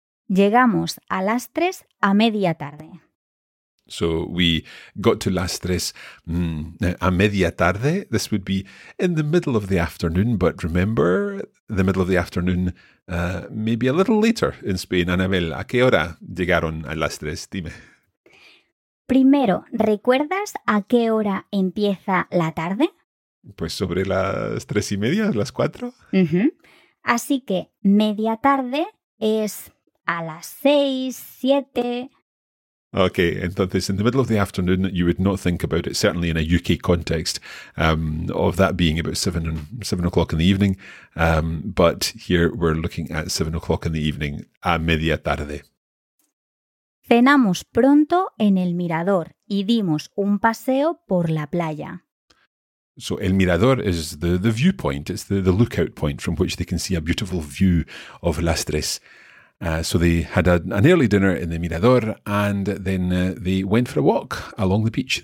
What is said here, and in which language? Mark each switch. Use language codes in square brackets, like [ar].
[es] Llegamos a las tres a media tarde. [en] So we got to las tres [es] a media tarde. [en] This would be in the middle of the afternoon. But remember, the middle of the afternoon, maybe a little later in Spain. [es] Anabel, ¿a qué hora llegaron a las tres? Dime. Primero, ¿recuerdas a qué hora empieza la tarde? Pues sobre las tres y media, las cuatro. Uh-huh. Así que media tarde es a las seis, siete... [en] Okay, entonces, in the middle of the afternoon, you would not think about it, certainly in a UK context, of that being about 7 o'clock in the evening. But here we're looking at 7 o'clock in the evening, [es] a media tarde. Cenamos pronto en el mirador y dimos un paseo por la playa. [en] So el mirador is the viewpoint, it's the lookout point from which they can see a beautiful view of Las Tres. So they had an early dinner in the mirador and then they went for a walk along the beach.